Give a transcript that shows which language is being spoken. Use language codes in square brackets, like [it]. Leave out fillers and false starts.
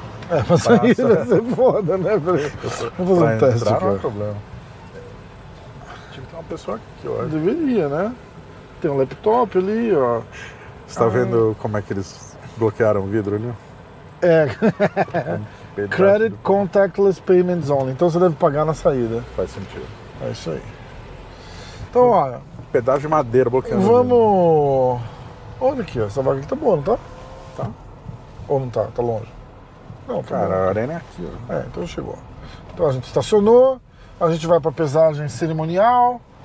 [pt] É, passa aí, vai ser foda, né? Vou fazer um teste aqui. Não é problema. Uma pessoa aqui, ó. Deveria, né? Tem um laptop ali, ó. Você tá vendo como é que eles bloquearam o vidro ali? É. [en] Credit contactless payments only. [pt] Então você deve pagar na saída. Faz sentido. É isso aí. Então, ó. Pedaço de madeira bloqueando. Vamos. Olha aqui, ó. Essa vaga aqui tá boa, não tá? Tá. Ou não tá? Tá longe? Não, tá. Cara, a arena é aqui, ó. É, então chegou. Então a gente estacionou. A gente vai para a pesagem cerimonial.